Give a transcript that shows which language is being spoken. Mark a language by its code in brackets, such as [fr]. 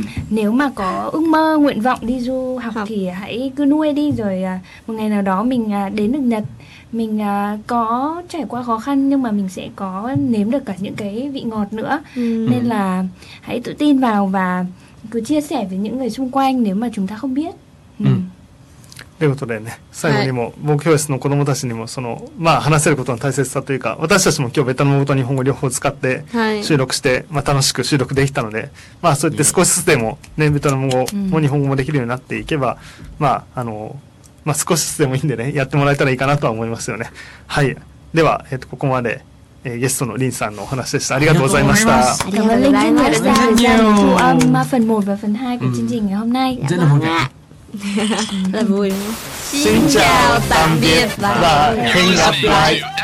[vi] Nếu mà có ước mơ, nguyện vọng đi du học thì hãy cứ nuôi đi. Rồi một ngày nào đó mình đến được Nhật, mình có trải qua khó khăn nhưng mà mình sẽ có nếm được cả những cái vị ngọt nữa. Nên là hãy tự tin vào và cứ chia sẻ với những người xung quanh nếu mà chúng ta không biết. [ja] ということでね、最後にも僕教室の子どもたちにもその、まあ、話せることの大切さというか、私たちも今日ベトナム語と日本語両方使って収録して、まあ、楽しく収録できたので、まあ、そうやって少しずつでも、ね、ベトナム語も日本語もできるようになっていけば、まあ、まあ、少しずつでもいいんでね、やってもらえたらいいかなとは思いますよね。はい、では、ここまで、ゲストのリンさんのお話でした。ありがとうございました。ありがとうございました。ありがとうございました。ありがとうございました。ありがとうございました。 ありがとう [vi] là vui. Xin chào tạm biệt và hẹn gặp lại.